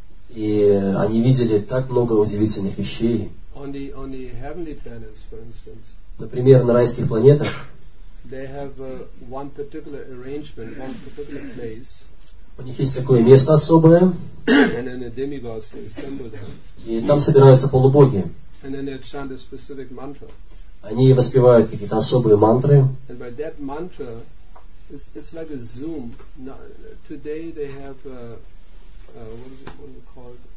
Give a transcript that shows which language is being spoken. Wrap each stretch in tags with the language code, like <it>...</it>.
<ru>И они видели так много удивительных вещей.</ru> <en>On the heavenly planets, for instance,</en> <ru>например, на райских планетах.</ru> <en>They have one particular arrangement, one particular place.</en> <ru>У них есть такое место особое.</ru> <en>And then the demigods, they assemble them.</en> <ru>И там собираются полубоги.</ru> <en>And then they chant a specific mantra.</en> <ru>Они воспевают какие-то особые мантры.</ru> <en>And by that mantra, it's like a Zoom. Now, today they have what is it called?</en>